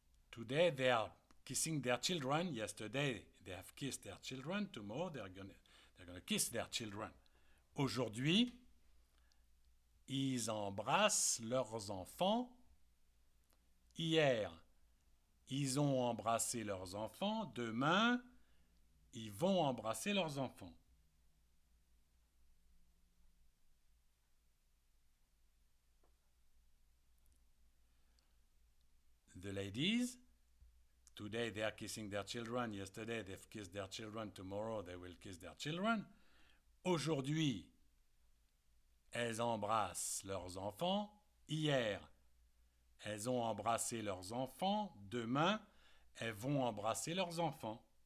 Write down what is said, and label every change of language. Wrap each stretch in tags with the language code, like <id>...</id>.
<en>Today they are kissing their children. Yesterday they have kissed their children. Tomorrow they're gonna kiss their children.</en> <fr>Aujourd'hui, ils embrassent leurs enfants. Hier, ils ont embrassé leurs enfants. Demain, ils vont embrasser leurs enfants.</fr> <en>The ladies, today they are kissing their children. Yesterday, they've kissed their children. Tomorrow, they will kiss their children.</en> <fr>Aujourd'hui, elles embrassent leurs enfants. Hier, elles ont embrassé leurs enfants. Demain, elles vont embrasser leurs enfants.</fr>